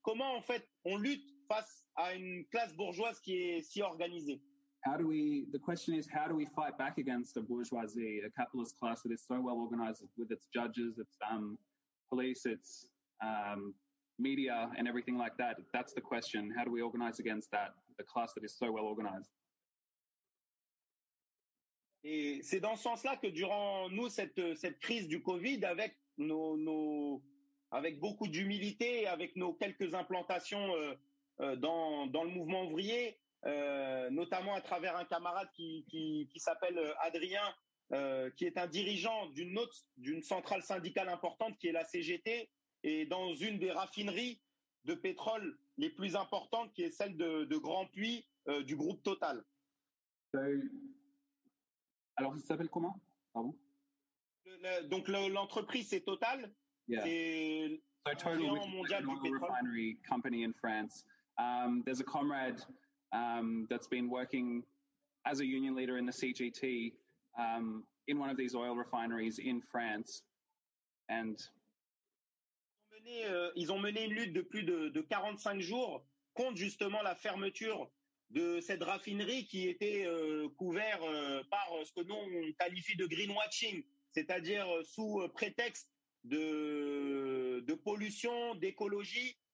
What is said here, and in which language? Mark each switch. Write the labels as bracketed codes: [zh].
[fr] Comment en fait on lutte face à une classe bourgeoise qui est si organisée? [en] The question is, how do we fight back against a bourgeoisie, a capitalist class that is so well organized with its judges, its police, its media, and everything like that? That's the question. How do we organize against that, the class that is so well organized? [fr] Et c'est dans ce sens-là que durant nous cette crise du Covid, avec nos avec beaucoup d'humilité, avec nos quelques implantations dans le mouvement ouvrier. Notamment à travers un camarade qui s'appelle Adrien, qui est un dirigeant d'une centrale syndicale importante qui est la CGT, et dans une des raffineries de pétrole les plus importantes qui est celle de Grand Puy du groupe Total. Alors, ça s'appelle comment ? Pardon ? L'entreprise, c'est Total. Yeah. C'est un géant mondial du pétrole. [en] Refinery company in France. There's a comrade that's been working as a union leader in the CGT in one of these oil refineries in France. And [fr] ils ont mené une lutte de plus de 45 jours contre justement la fermeture de cette raffinerie qui était couverte par ce que nous on qualifie de greenwashing, c'est-à-dire sous prétexte de pollution, d'écologie.